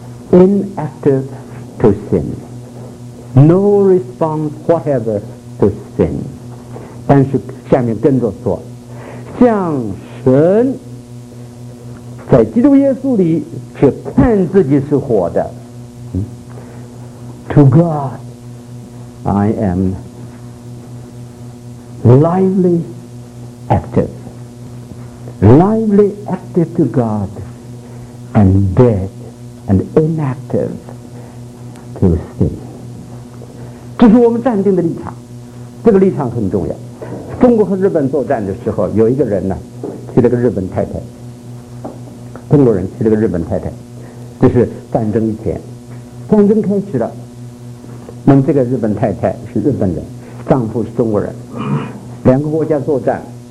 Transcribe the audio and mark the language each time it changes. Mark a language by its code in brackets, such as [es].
[en] Inactive to sin, no response whatever to sin. [zh] 但是下面跟着说，向神在基督耶稣里却看自己是活的。 [en] To God, I am lively active, lively active to God, and dead and inactive to sin. [zh] 这是我们站定的立场，这个立场很重要。中国和日本作战的时候，有一个人呢，娶了个日本太太。中国人娶了个日本太太，这是战争以前，战争开始了。那么这个日本太太是日本人，丈夫是中国人，两个国家作战。